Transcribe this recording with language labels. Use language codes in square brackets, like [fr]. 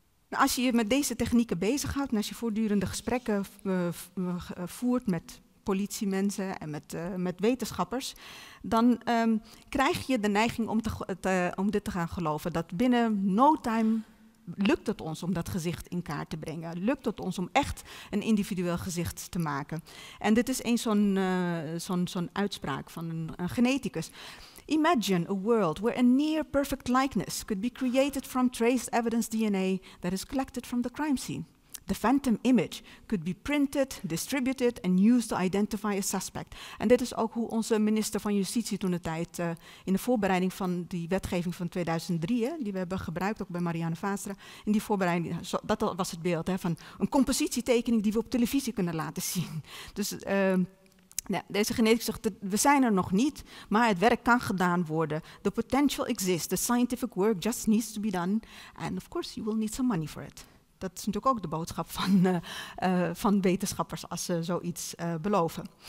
[nl] Als je met deze technieken bezighoudt en als je voortdurende gesprekken voert met politiemensen en met wetenschappers, dan krijg je de neiging om dit te gaan geloven. Dat binnen no time lukt het ons om dat gezicht in kaart te brengen. Lukt het ons om echt een individueel gezicht te maken. En dit is eens zo'n uitspraak van een geneticus. [en] Imagine a world where a near perfect likeness could be created from traced evidence DNA that is collected from the crime scene. The phantom image could be printed, distributed and used to identify a suspect. [nl] En dit is ook hoe onze minister van Justitie toen de tijd in de voorbereiding van die wetgeving van 2003, die we hebben gebruikt ook bij Marianne Vaasteren, in die voorbereiding, dat was het beeld van een compositietekening die we op televisie kunnen laten zien. Dus deze geneticus zegt, we zijn er nog niet, maar het werk kan gedaan worden. [en] The potential exists, the scientific work just needs to be done. And of course, you will need some money for it. [nl] Dat is natuurlijk ook de boodschap van wetenschappers als ze zoiets beloven.